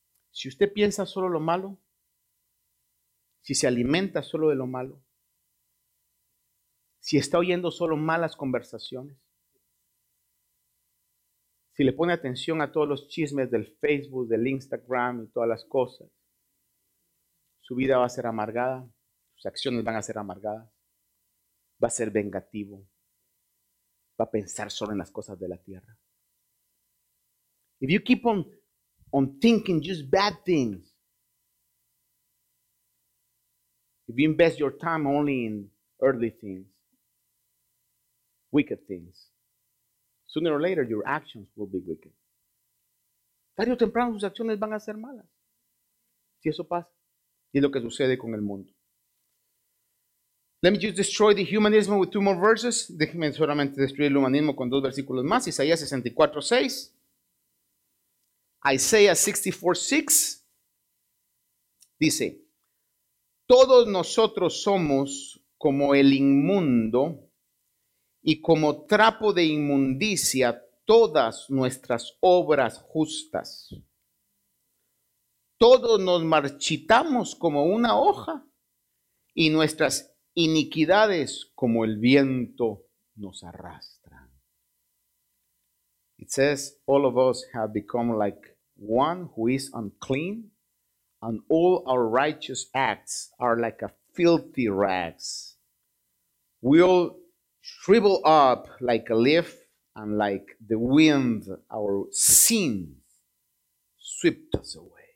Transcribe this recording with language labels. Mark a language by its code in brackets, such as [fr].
[es] Si usted piensa solo lo malo, si se alimenta solo de lo malo, si está oyendo solo malas conversaciones, si le pone atención a todos los chismes del Facebook, del Instagram y todas las cosas, su vida va a ser amargada, sus acciones van a ser amargadas, va a ser vengativo, va a pensar solo en las cosas de la tierra. [en] If you keep on thinking just bad things, if you invest your time only in earthly things, wicked things, sooner or later your actions will be wicked. [es] Tarde o temprano sus acciones van a ser malas. Si eso pasa, y es lo que sucede con el mundo. [en] Let me just destroy the humanism with two more verses. [es] Déjeme solamente destruir el humanismo con dos versículos más. Isaías 64:6. Isaías 64:6 dice: todos nosotros somos como el inmundo y como trapo de inmundicia todas nuestras obras justas. Todos nos marchitamos como una hoja y nuestras iniquidades como el viento nos arrastran. [en] It says, all of us have become like one who is unclean. And all our righteous acts are like a filthy rags. We all shrivel up like a leaf, and like the wind, our sin swept us away.